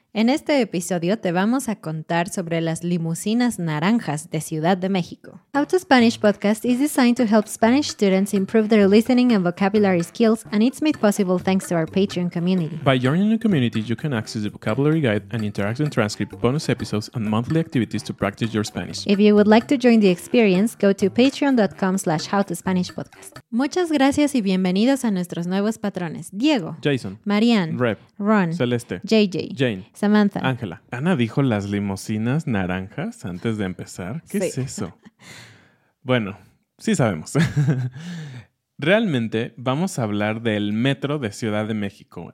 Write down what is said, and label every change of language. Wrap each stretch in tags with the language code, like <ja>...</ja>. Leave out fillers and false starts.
<es>En este episodio te vamos a contar sobre las limusinas naranjas de Ciudad de México.</es> <en>How to Spanish Podcast is designed to help Spanish students improve their listening and vocabulary skills, and it's made possible thanks to our Patreon community. By joining the community, you can access the vocabulary guide, an interactive transcript, bonus episodes, and monthly activities to practice your Spanish. If you would like to join the experience, go to patreon.com/howtospanishpodcast.</en> <es>Muchas gracias y bienvenidos a nuestros nuevos patrones. Diego. Jason. Marianne. Rev. Ron. Celeste. JJ. Jane. Samantha. Ángela. Ana dijo las limusinas naranjas antes de empezar. ¿Qué es eso? Bueno, sí sabemos. Realmente vamos a hablar del metro de Ciudad de México.</es>